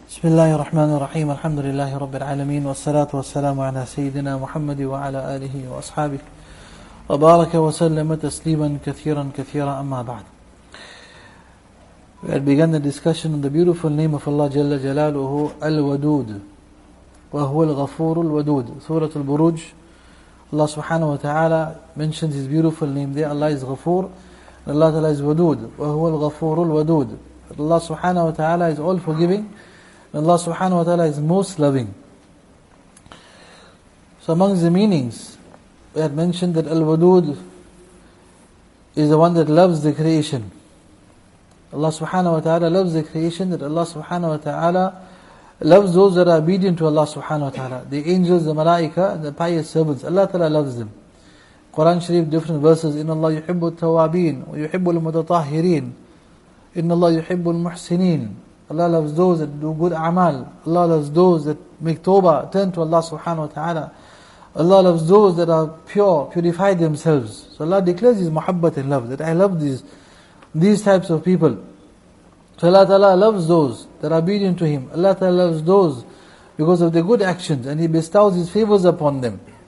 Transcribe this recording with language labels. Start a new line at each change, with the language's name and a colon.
Arabic: بسم الله الرحمن الرحيم الحمد لله رب العالمين والصلاة والسلام على سيدنا محمد وعلى آله وأصحابه وبارك وسلم تسليما كثيرا كثيرا أما بعد.
English: We began the discussion on the beautiful name of Allah
Arabic: جل جلاله الودود وهو الغفور الودود.
English: سورة البروج, Allah سبحانه وتعالى mentions his beautiful name there. Allah is غفور, Allah تعالى is ودود
Arabic: وهو الغفور الودود.
English: Allah سبحانه وتعالى is all forgiving. Allah subhanahu wa ta'ala is most loving. So among the meanings, we had mentioned that Al-Wadood is the one that loves the creation. Allah subhanahu wa ta'ala loves the creation, that Allah subhanahu wa ta'ala loves those that are obedient to Allah subhanahu wa ta'ala. The angels, the malaika, the pious servants, Allah ta'ala loves them. Quran Sharif, different verses,
Arabic: إِنَّ اللَّهُ يُحِبُّ التَّوَّابِينَ وَيُحِبُّ الْمُتَطَهِّرِينَ إِنَّ اللَّهُ يُحِبُّ الْمُحْسِنِينَ.
English: Allah loves those that do good amal. Allah loves those that make tawbah, turn to Allah subhanahu wa ta'ala. Allah loves those that are pure, purify themselves. So Allah declares His muhabbat and love, that I love these types of people. So Allah ta'ala loves those that are obedient to Him. Allah ta'ala loves those because of their good actions, and He bestows His favors upon them.